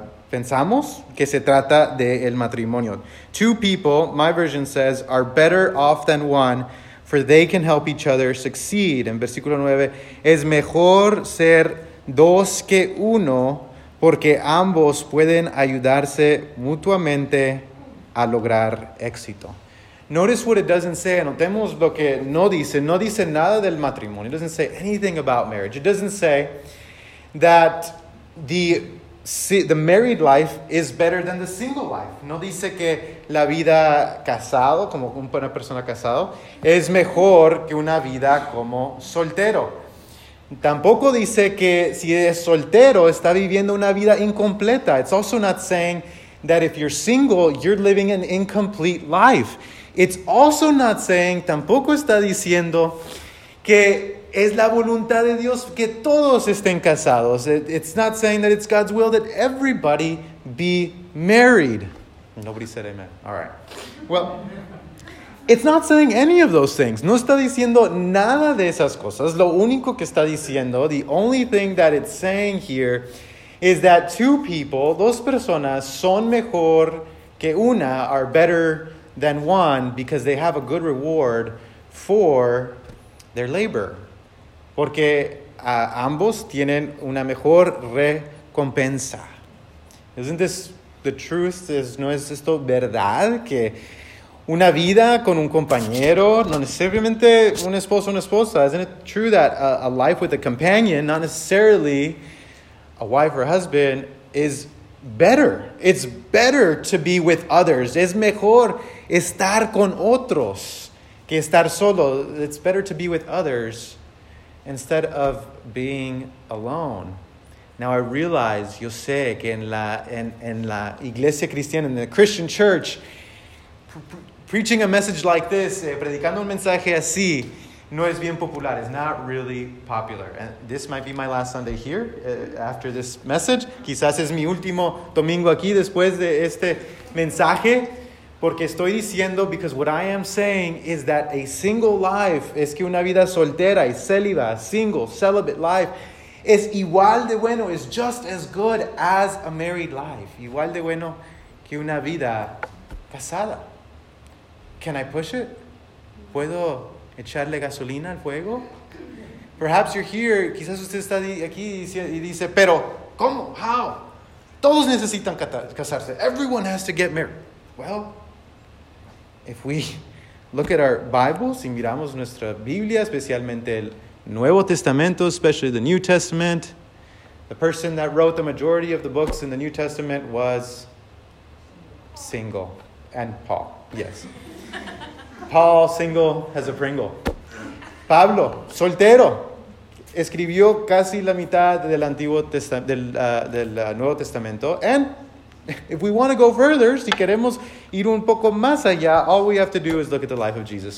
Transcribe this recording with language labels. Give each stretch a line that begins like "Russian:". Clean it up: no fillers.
Spanish: Pensamos que se trata de el matrimonio.
English: Two people, my version says, are better off than one, for they can help each other succeed.
Spanish: En versículo 9, es mejor ser dos que uno, porque ambos pueden ayudarse mutuamente a lograr éxito.
English: Notice what it doesn't say.
Spanish: Anotemos lo que no dice. No dice nada del matrimonio.
English: It doesn't say anything about marriage. It doesn't say that the married life is better than the single life.
Spanish: No dice que la vida casado, como una persona casado, es mejor que una vida como soltero. Tampoco dice que si es soltero, está viviendo una vida incompleta.
English: It's also not saying that if you're single, you're living an incomplete life. It's also not saying,
Spanish: tampoco está diciendo que es la voluntad de Dios que todos estén casados.
English: It's not saying that it's God's will that everybody be married. Nobody said amen. All right. Well, it's not saying any of those things.
Spanish: No está diciendo nada de esas cosas. Lo único que está diciendo,
English: the only thing that it's saying here, is that two people,
Spanish: dos personas, son mejor que una,
English: are better than one, because they have a good reward for their labor.
Spanish: Porque ambos tienen una mejor recompensa.
English: Isn't this the truth?
Spanish: ¿No es esto verdad? Que una vida con un compañero, no necesariamente un esposo, una esposa.
English: Isn't it true that a life with a companion, not necessarily a wife or husband, is better? It's better to be with others.
Spanish: Es mejor estar con otros que estar solo.
English: It's better to be with others instead of being alone. Now I realize,
Spanish: yo sé que en la iglesia cristiana,
English: in the Christian church, preaching a message like this,
Spanish: predicando un mensaje así, no es bien popular.
English: It's not really popular. And this might be my last Sunday here, after this message.
Spanish: Quizás es mi último domingo aquí después de este mensaje. Porque estoy diciendo,
English: because what I am saying is that a single life,
Spanish: es que una vida soltera y célibe,
English: single, celibate life,
Spanish: es igual de bueno,
English: is just as good as a married life.
Spanish: Igual de bueno que una vida casada.
English: Can I push it?
Spanish: ¿Puedo echarle gasolina al fuego?
English: Perhaps you're here,
Spanish: quizás usted está aquí y dice, pero, ¿cómo?
English: ¿How?
Spanish: Todos necesitan casarse.
English: Everyone has to get married. Well, if we look at our Bibles,
Spanish: si miramos nuestra Biblia, especialmente el Nuevo Testamento,
English: especially the New Testament, the person that wrote the majority of the books in the New Testament was single. And Paul, yes. Paul, single, has a Pringle.
Spanish: Pablo, soltero, escribió casi la mitad del Antiguo Nuevo Testamento.
English: And if we want to go further,
Spanish: si queremos ir un poco más allá,
English: all we have to do is look at the life of Jesus.